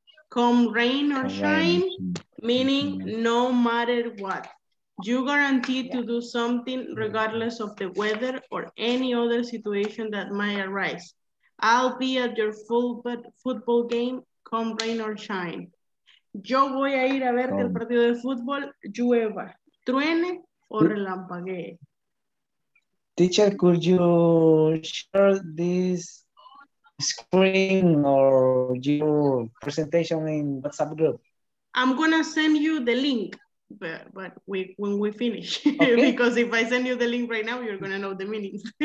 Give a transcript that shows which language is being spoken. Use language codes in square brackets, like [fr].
[en] Come rain or shine, meaning no matter what. You guarantee to do something regardless of the weather or any other situation that might arise. I'll be at your football game, come rain or shine. [es] Yo voy a ir a verte el partido de fútbol, llueva, truene o relampaguee. [en] Teacher, could you share this screen or your presentation in WhatsApp group? I'm gonna send you the link. But we, when we finish, okay. Because if I send you the link right now, you're going to know the meanings.